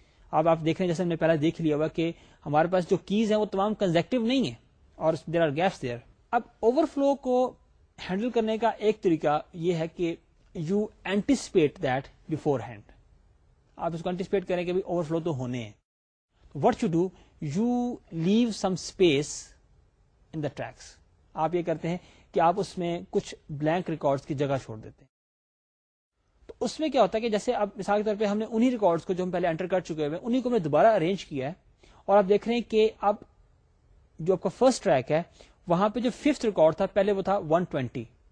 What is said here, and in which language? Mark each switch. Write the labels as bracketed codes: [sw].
[ur] اب آپ دیکھ رہے ہیں جیسے ہم نے پہلے دیکھ لیا ہوا کہ ہمارے پاس جو keys ہیں وہ تمام consecutive نہیں ہیں اور [en] there are gaps there. [ur] اب overflow کو ہینڈل کرنے کا ایک طریقہ یہ ہے کہ [en] You anticipate that beforehand. [ur] آپ اس کو اینٹیسپیٹ کریں کہ اوور فلو تو ہونے ہیں. [en] What you do, you leave some space in the tracks. [ur] آپ یہ کرتے ہیں کہ آپ اس میں کچھ بلینک ریکارڈز کی جگہ چھوڑ دیتے ہیں. تو اس میں کیا ہوتا ہے کہ جیسے آپ مثال کے طور پہ ہم نے انہی ریکارڈز کو جو ہم پہلے انٹر کر چکے ہوئے انہیں کو ہم نے دوبارہ ارینج کیا ہے اور آپ دیکھ رہے ہیں کہ آپ جو آپ کا فرسٹ ٹریک ہے وہاں پہ جو ففتھ ریکارڈ تھا پہلے وہ تھا 120.